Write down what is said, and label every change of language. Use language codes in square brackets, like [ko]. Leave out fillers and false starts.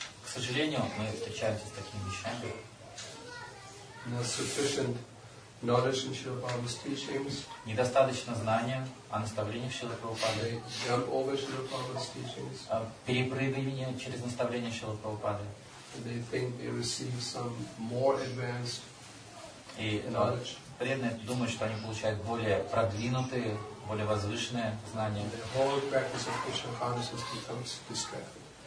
[ru] К сожалению, мы встречаемся с такими вещами. [en] Not sufficient knowledge in Srila Prabhupada's teachings. [ru] Недостаточно знания о наставлениях Шрилы Прабхупады. [en] They jump over Srila Prabhupada's teachings. [ru] Перепрыгивание через наставления Шрилы Прабхупады. [en] They think they receive some more advanced knowledge. [ru] Преданные думают, что они получают более продвинутые, более возвышенные знания. [en] The whole practice of Krishna consciousness becomes distracted.